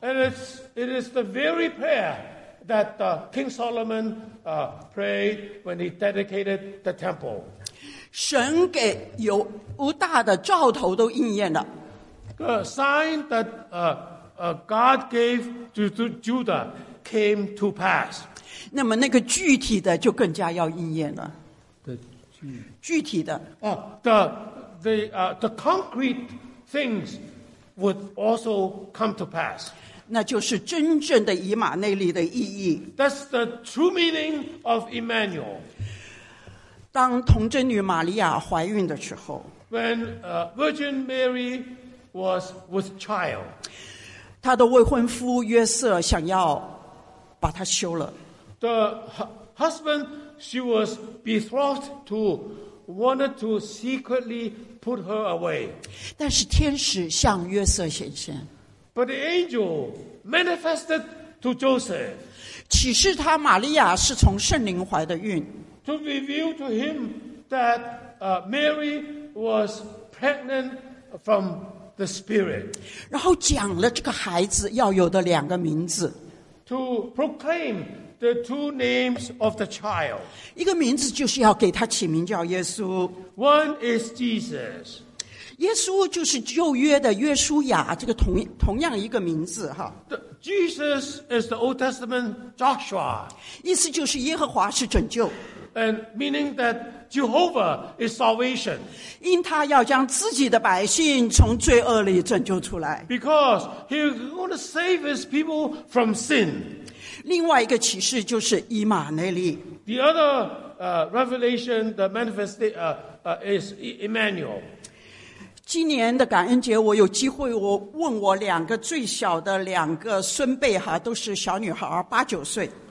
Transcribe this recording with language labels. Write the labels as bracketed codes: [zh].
[en] And it is the very prayer that King Solomon prayed when he dedicated the temple. [zh] 神给犹大的兆头都应验了。 [en] The sign that God gave to Judah came to pass. [zh] 那么那个具体的就更加要应验了。 [en] The [zh] 具体的。 [en] The concrete things would also come to pass. [zh] 那就是真正的以马内利的意义。 [en] That's the true meaning of Immanuel. [zh] 当童贞女玛利亚怀孕的时候。 [en] When Virgin Mary was with child. [zh] 他的未婚夫约瑟想要把他休了。 [en] The husband she was betrothed to wanted to secretly put her away. [zh] 但是天使向约瑟显现。 [en] But the angel manifested to Joseph. [zh] 启示他玛利亚是从圣灵怀的孕。 [en] To reveal to him that Mary was pregnant from the spirit. [zh] 然后讲了这个孩子要有的两个名字。 [en] To proclaim the two names of the child. [zh] 一个名字就是要给他起名叫耶稣。 [en] One is Jesus. [zh] 耶稣就是旧约的约书亚这个同样一个名字哈。 [en] Jesus is the Old Testament Joshua. [zh] 意思就是耶和华是拯救。 [en] And meaning that Jehovah is salvation. [zh] 因他要将自己的百姓从罪恶里拯救出来。 [en] Because he want to save his people from sin. [zh] 另外一个启示就是以马内利。 [en] The other revelation, the manifestation is Immanuel. [zh] 今年的感恩节，我有机会我问我两个最小的两个孙辈哈，都是小女孩，八九岁。